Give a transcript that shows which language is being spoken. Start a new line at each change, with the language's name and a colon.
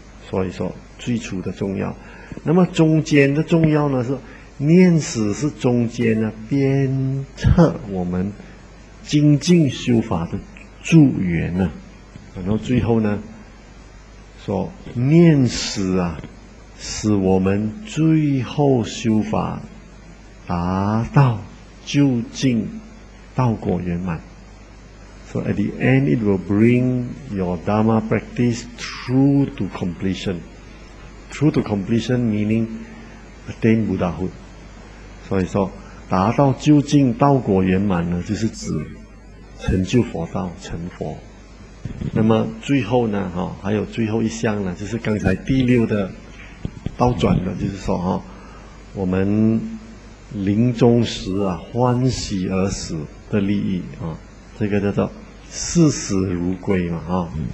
Chinese: 所以说最初的重要，那么中间的重要呢是念死是中间呢鞭策我们精进修法的助缘呢、啊、然后最后呢说念死啊使我们最后修法达到究竟道果圆满。
English: So at the end, it will bring your Dharma practice through to completion. Through to completion meaning attain Buddhahood.
Chinese: 所以说，达到究竟道果圆满呢，就是指成就佛道，成佛。那么最后呢，还有最后一项呢，就是刚才第六的倒转的，就是说，我们临终时啊，欢喜而死的利益啊，这个叫做视死如归嘛，